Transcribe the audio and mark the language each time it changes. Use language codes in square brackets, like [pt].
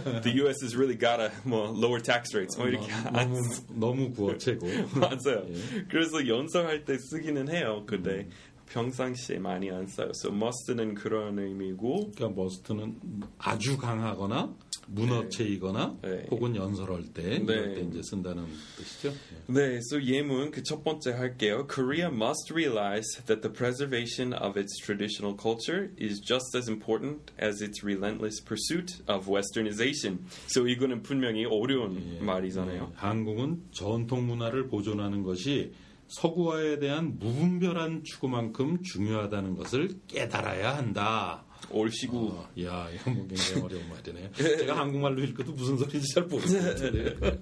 [en] The US is really gotta 뭐 lower tax rates [ko] 뭐 이렇게 너무 구어체고. 맞아요. 예. 그래서 연설할 때 쓰기는 해요. 근데 평상시에 많이 안 써요. So must는 그런 의미고. 그러니까 must는 아주 강하거나 문어체이거나 네. 네. 혹은 연설할 때 네. 이럴 때 이제 쓴다는 뜻이죠. 네. 네, so 예문 그 첫 번째 할게요. [en] Korea must realize that the preservation of its traditional culture is just as important as its relentless pursuit of westernization. [ko] So 이거는 분명히 어려운 네. 말이잖아요. 네. 한국은 전통 문화를 보존하는 것이 서구화에 대한 무분별한 추구만큼 중요하다는 것을 깨달아야 한다. 올시구. 야, 이건 뭐 굉장히 어려운 말이네요. 제가 한국말로 읽어도 무슨 소리인지 잘 모르겠는데.